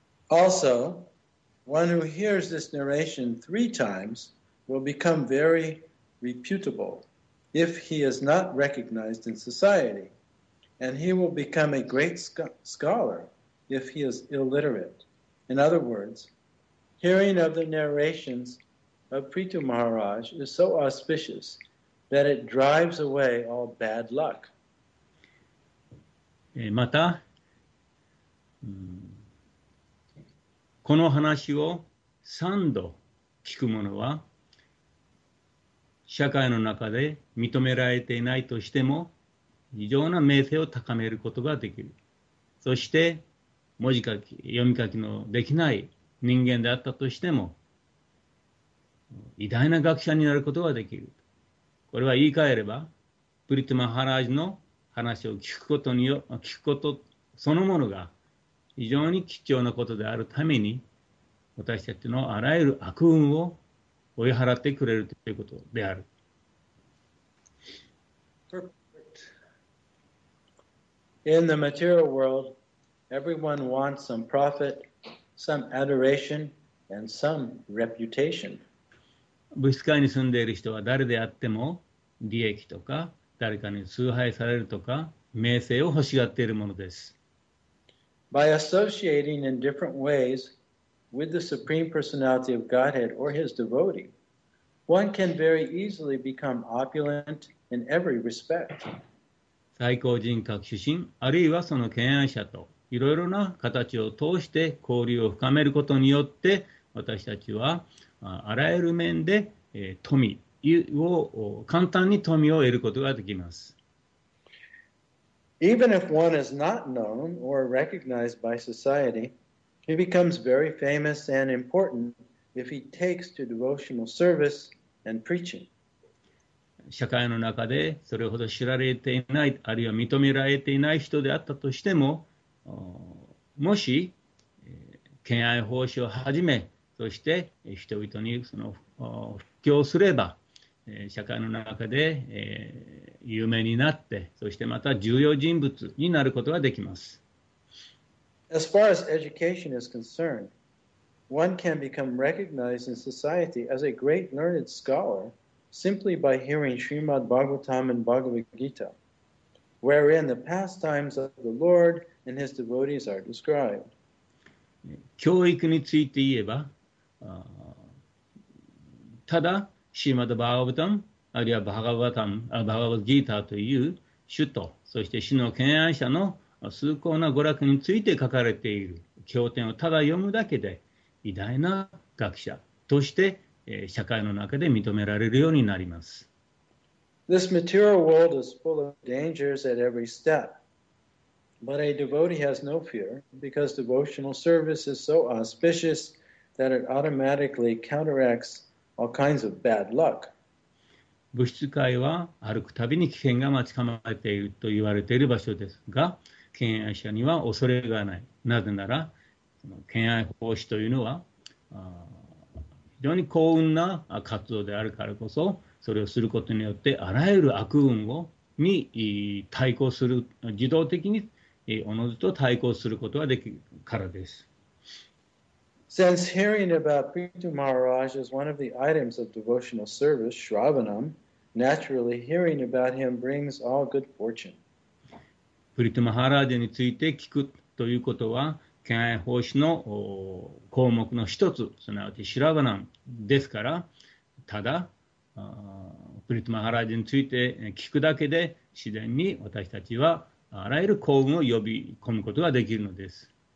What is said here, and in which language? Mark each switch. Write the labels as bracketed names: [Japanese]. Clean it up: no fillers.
[English] Also, one who hears this narration three times will become very reputable if he is not recognized in society, and he will become a great scholar if he is illiterate. In other words, hearing of the narrations of Prithu Maharaj is so auspicious that it drives away all bad luck. [Japanese] また、この話を三度聞く者は、社会の中で認められていないとしても、異常な名声を高めることができる。そして文字書き、読み書きのできない人間であったとしても偉大な学者になることができる。これは言い換えればプリティ・マハラージの話を聞くことによ、聞くことそのものが非常に貴重なことであるために、私たちのあらゆる悪運を追い払ってくれるということである。 [English] In the material world, everyone wants some profit, some adoration, and some reputation. [Japanese] 物質界に住んでいる人は誰であっても利益とか誰かに崇拝されるとか名声を欲しがっているものです。 [English] By associating in different ways with the Supreme Personality of Godhead or his devotee, one can very easily become opulent in every respect. [Japanese] 最高人格主神、あるいはその敬愛者といろいろな形を通して交流を深めることによって、私たちはあらゆる面で富を、簡単に富を得ることができます。 [English] Even if one is not known or recognized by society, he becomes very famous and important if he takes to devotional service and preaching. [Japanese] 社会の中でそれほど知られていない、あるいは認められていない人であったとしても、もし敬愛奉仕を始め、そして人々にその布教すれば、社会の中で有名になって、そしてまた重要人物になることができます。 [English] As far as education is concerned, one can become recognized in society as a great learned scholar simply by hearing Srimad Bhagavatam and Bhagavad Gita, wherein the pastimes of the Lord and his devotees are described. [Japanese] 教育について言えば、ただシーマド・バーガバタム、あるいはバーガバタム、バーガバギーターという主と、そして主の敬愛者の崇高な娯楽について書かれている経典をただ読むだけで、偉大な学者として社会の中で認められるようになります。 [English] This material world is full of dangers at every step, but a devotee has no fear because devotional service is so auspicious that it automatically counteracts all kinds of bad luck. [Japanese] 物質界は歩くたびに危険が待ち構えていると言われている場所ですが、敬愛者には恐れがない。なぜなら、その敬愛奉仕というのは非常に幸運な活動であるからこそ、それをすることによってあらゆる悪運をに対抗する、自動的に自ずと対抗することができるからです。 [English] Since hearing about Prithu Maharaj is one of the items of devotional service, Shravanam, naturally hearing about him brings all good fortune. [Japanese] Prithu Maharaj について聞くということは敬愛奉仕の項目の一つ、すなわちシラバナムですから、ただプリティ・マハラージについて聞くだけで自然に私たちはあらゆる幸運を呼び込むことができるのです。